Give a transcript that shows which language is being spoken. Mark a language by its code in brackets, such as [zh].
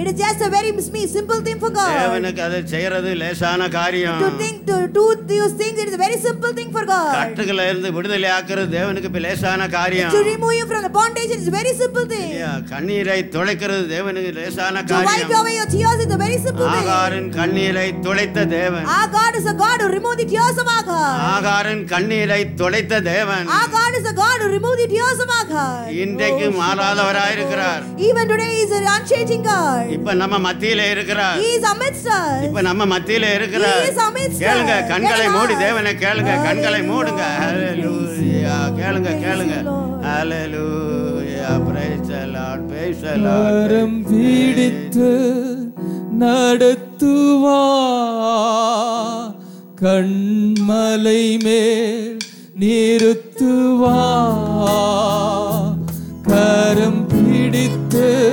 [en] It is just a very simple thing for God. [ta] தேவனுக்கு அது செய்யறது லேசான காரியம். [en] To think to do these things, it is a very simple thing for God. [ta] கட்டுகள இருந்து விடுதலை ஆக்குறது தேவனுக்கு லேசான காரியம். [en] To remove you from the bondage, it is a very simple thing. [ta] கண்ணீரை துடைக்கிறது தேவனுக்கு லேசான காரியம். [en] To wipe away your tears, it is a very simple thing. [ta] ஆகாரின் கண்ணீரை துடைத்த தேவன். [en] Our God is a God who removed the tears of Agar. [ta] ஆகாரின் கண்ணீரை துடைத்த தேவன். [en] Our God is a God who removed the tears of Agar. [ta] இன்றைக்கு மாறாதவராய் இருக்கிறார். [en] Even today he is an unchanging God. [ta] இப்ப நம்ம மத்தியிலே இருக்கிறார். [en] He is amidst us. [ta] இப்ப நம்ம மத்தியிலே இருக்கிறார். [en] He is amidst us. [ta] கேளுங்க, கண்களை மூடி தேவனை கேளுங்க, கண்களை மூடுங்க. [en] Hallelujah. [ta] கேளுங்க, கேளுங்க. [en] Hallelujah. Praise the Lord. Praise the Lord. [ta] நரம் பீடித்து நடத்துவார், கண்மலை மேல் நிறுத்துவார், கரம் பிடித்து